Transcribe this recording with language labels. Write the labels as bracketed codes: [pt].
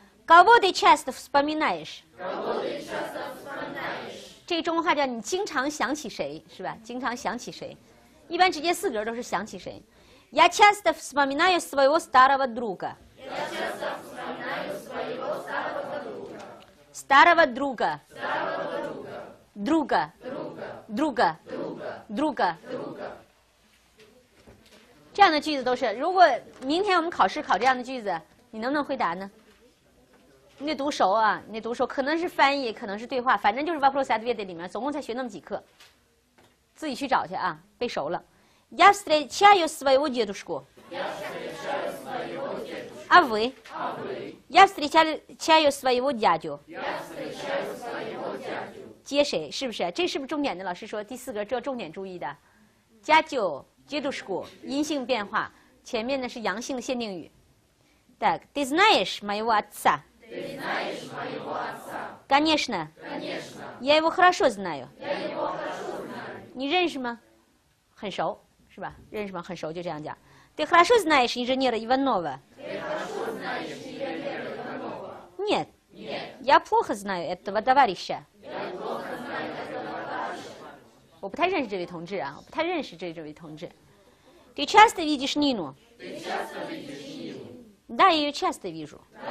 [ru] Кого ты часто вспоминаешь? [zh] 这个中文话叫你经常想起谁，是吧？经常想起谁，一般直接四格都是想起谁。 [ru] Я часто вспоминаю своего старого друга. Старого друга. Друга. Друга. Друга. [zh] Друга. 这样的句子都是，如果明天我们考试考这样的句子，你能不能回答呢？你得读熟啊，你得读熟，可能是翻译，可能是对话，反正就是 [ru] Вопрос ответ [zh] 里面，总共才学那么几课，自己去找去啊，背熟了。 [ru] Я встречаю своего дедушку. А вы? Я встречаю своего дядю. [zh] 接谁？是不是？这是不是重点的？老师说第四格这要重点注意的。家舅 дедушку 阴性变化，前面呢是阳性的限定语。 [ru] Так, ты знаешь моего отца? Конечно. Я его хорошо знаю. [zh] 你认识吗？很熟，是吧？认识吗？很熟，就这样讲。 [ru] Ты хорошо знаешь инженера Иванова? Нет. Я плохо знаю этого товарища. [zh] 我不太认识这位同志啊，我不太认识这位同志。 [ru] Ты часто видишь Нину? Да, я ее часто вижу.